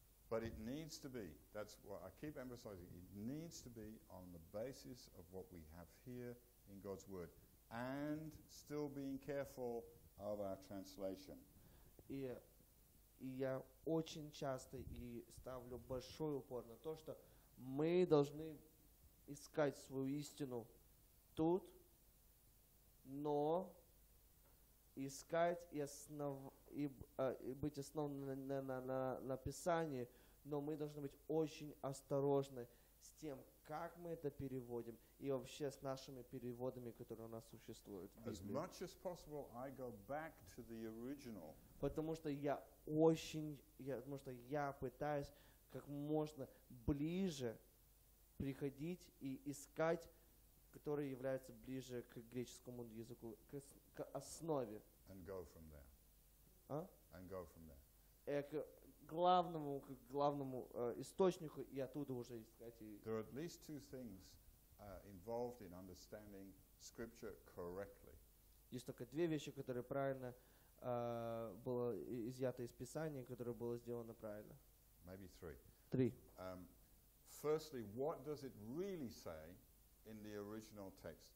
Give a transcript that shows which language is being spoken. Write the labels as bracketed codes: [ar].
[en] But it needs to be, that's what I keep emphasizing, it needs to be on the basis of what we have here in God's Word, and still being careful of our translation. [ru] И я очень часто и ставлю большой упор на то, что мы должны искать свою истину тут, но искать и быть основанными на Писании, но мы должны быть очень осторожны с тем, как мы это переводим, и вообще с нашими переводами, которые у нас существуют в Библии. [en] As much as possible, I go back to the original. [ru] Потому что я пытаюсь как можно ближе приходить и искать, которые являются ближе к греческому языку, к основе. [en] And go from there. А? And go from there. [ru] К главному источнику и оттуда уже искать. [en] There are at least two things involved in understanding scripture correctly. [ru] Есть только две вещи, которые правильно было изъято из Писания, которое было сделано правильно. [en] Maybe three. [ru] Три. [en] Firstly, what does it really say in the original text?